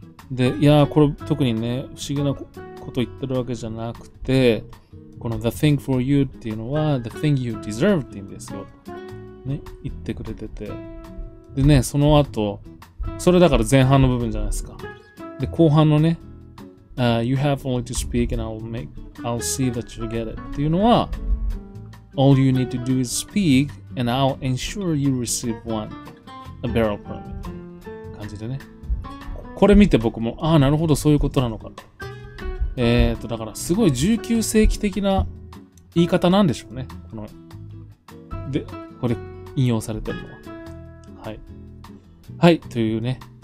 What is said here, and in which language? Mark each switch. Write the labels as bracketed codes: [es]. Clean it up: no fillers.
[ja] で、いやー、これ特にね、不思議なこと言ってるわけじゃなくて、この [en] The thing for you [ja] っていうのは [en] The thing you deserve [ja] って言うんですよ。ね、言ってくれてて。でね、その後、それだから前半の部分じゃないですか。 [en] で、後半のね、You have only to speak and I'll see that you get it [ja] っていうのは、 [en] All you need to do is speak and I'll ensure you receive one, a barrel permit. [ja] 感じでね。これ見て僕も、ああ、なるほど、そういうことなのかと。だから、すごい19世紀的な言い方なんでしょうね。この、で、これ、引用されてるのは。はい。はい、というね。